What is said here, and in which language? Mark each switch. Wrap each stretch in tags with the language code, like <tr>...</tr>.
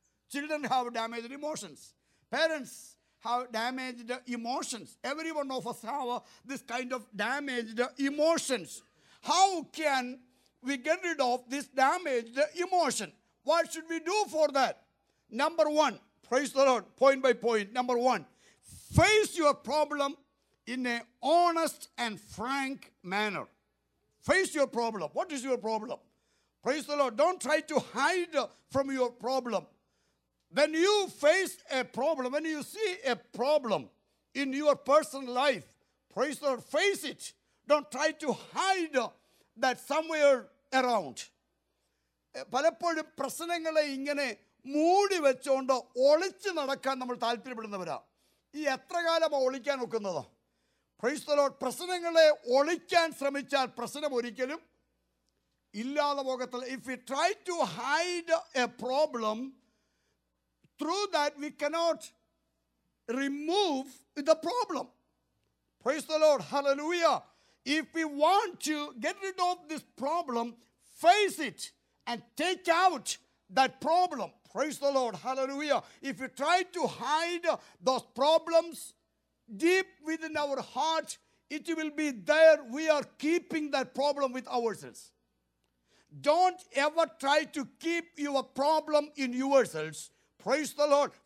<en>Children have damaged emotions. Parents have damaged emotions. Every one of us have this kind of damaged emotions. How can we get rid of this damaged emotion? What should we do for that? Number one, praise the Lord, point by point. Number one, face your problem in a honest and frank manner. Face your problem. What is your problem? Praise the Lord. Don't try to hide from your problem. When you face a problem, when you see a problem in your personal life, praise the Lord, face it. Don't try to hide that somewhere around.</en> <ml>പലപ്പോഴും പ്രശ്നങ്ങളെ ഇങ്ങനെ മൂടി വെച്ചുകൊണ്ട് ഒളിച്ച് നടക്കാൻ നമ്മൾ താല്പര്യപ്പെടുന്നവരാ. ഈ എത്ര കാലമാണ് ഒളിക്കാൻ നോക്കുന്നത്?</ml> <en>Praise the Lord.</en> <ml>പ്രശ്നങ്ങളെ ഒളിക്കാൻ ശ്രമിച്ചാൽ പ്രശ്നം ഒരിക്കലും ഇല്ലാതെ പോകത്തില്ല.</ml> <en>If we try to hide a problem, through that we cannot remove the problem. Praise the Lord. Hallelujah. If we want to get rid of this problem, face it and take out that problem. Praise the Lord. Hallelujah. If you try to hide those problems deep within our heart, it will be there. We are keeping that problem with ourselves. Don't ever try to keep your problem in yourselves. Praise the Lord.</en>